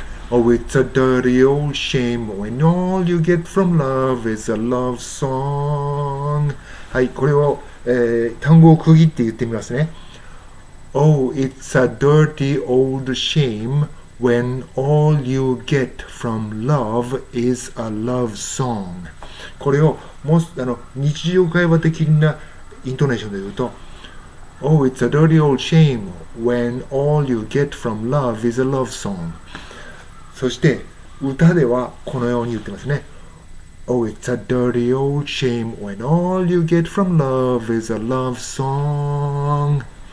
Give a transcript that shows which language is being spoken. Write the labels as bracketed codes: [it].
[en] Oh, it's a dirty old shame when all you get from love is a love song。 [ja] はい、これを、単語を区切って言ってみますね。 [en] Oh, it's a dirty old shame when all you get from love is a love song。 [ja] これをもう、あの、日常会話的なイントネーションで言うと、 [en] Oh, it's a dirty old shame when all you get from love is a love song。 [ja] そして歌ではこのように言ってますね。 [en] Oh, it's a dirty old shame when all you get from love is a love song。